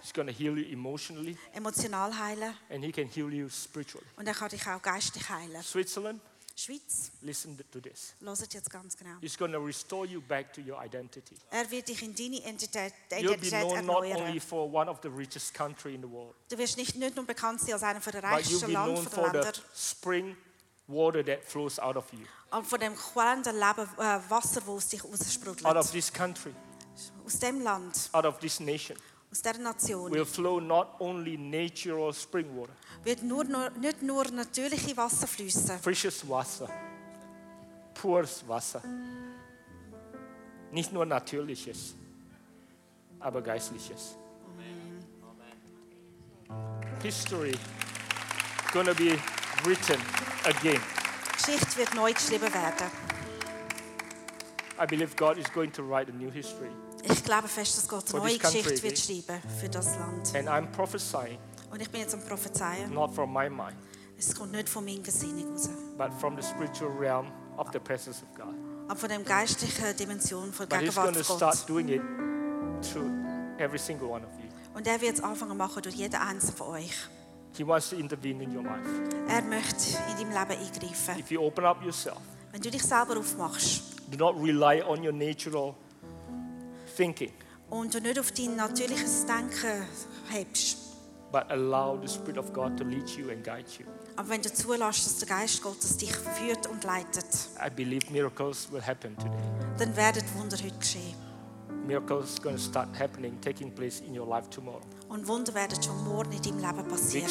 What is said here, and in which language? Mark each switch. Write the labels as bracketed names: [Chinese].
[English] He's going to heal you emotionally. [German] Emotional heilen. [English] And he can heal you spiritually. [German] Und er kann dich auch geistlich heilen. [English] Switzerland. [German] Schweiz. [English] Listen to this. [German] Loset jetzt ganz genau. [English] He's going to restore you back to your identity. [German] Er wird dich in deine Identität erneuern. [English] You'll be known not only for one of the richest country in the world. [German] Du wirst nicht nur bekannt sein als einer von der reichsten Länder. [English] But you'll be known for the spring water that flows out of you. [German] Und von dem quellenden Leben Wasser, wo es dich aussprudelt. [English] Out of this country. [German] Aus dem Land, [English] out of this nation, [German] aus der Nation [English] will flow not only natural spring water, [German] wird nicht nur natürliche Wasser fließen, frisches Wasser, pures Wasser, nicht nur natürliches, aber geistliches. [English] Amen. History is going to be written again. [German] Geschichte wird neu geschrieben werden. [English] I believe God is going to write a new history. [German] Ich glaube fest, dass Gott eine neue Geschichte wird schreiben für das Land. [English] And I'm prophesying, [German] und ich bin jetzt am Prophezeien. [English] Not from my mind, [German] es kommt nicht von meinem Gesinnung raus. [English] But from the spiritual realm of the presence of God. [German] Aber von der geistlichen Dimension von Gegenwart Gottes. [English] But he's going to start doing it through every single one of you. [German] Und er wird es anfangen machen durch jeden einzelnen von euch. [English] He wants to intervene in your life. [German] Er möchte in deinem Leben eingreifen. [English] If you open up yourself, [German] wenn du dich selber aufmachst, [English] do not rely on your natural thinking. [German] Und du nicht auf dein natürliches Denken hebst. [English] But allow the Spirit of God to lead you and guide you. [German] Aber wenn du zulässt, dass der Geist Gottes dich führt und leitet. [English] I believe miracles will happen today. [German] Dann werden Wunder heute geschehen. [English] Miracles are going to start happening, taking place in your life tomorrow. [German] Und Wunder werden schon morgen in deinem Leben passieren.